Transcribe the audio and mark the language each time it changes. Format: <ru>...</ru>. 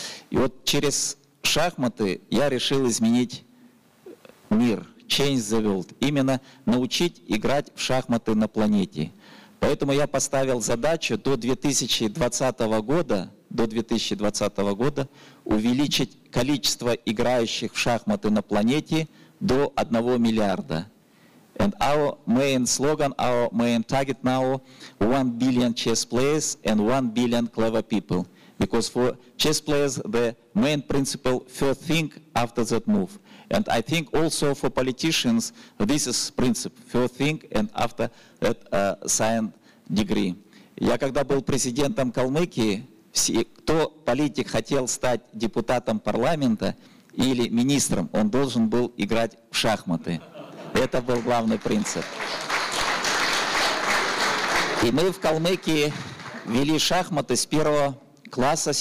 <ru>И вот через шахматы я решил изменить мир,</ru> <en>change the world,</en> <ru>именно научить играть в шахматы на планете. Поэтому я поставил задачу до 2020 года, увеличить количество играющих в шахматы на планете до 1 миллиарда.</ru> <en>And our main slogan, our main target now, 1 billion chess players and 1 billion clever people. Because for chess players, the main principle, first think after that move. And I think also for politicians, this is principle, first think and after that signed degree.</en> <ru>Я когда был президентом Калмыкии, все, кто политик хотел стать депутатом парламента или министром, он должен был играть в шахматы. Это был главный принцип. И мы в Калмыкии вели шахматы с первого класса.</ru>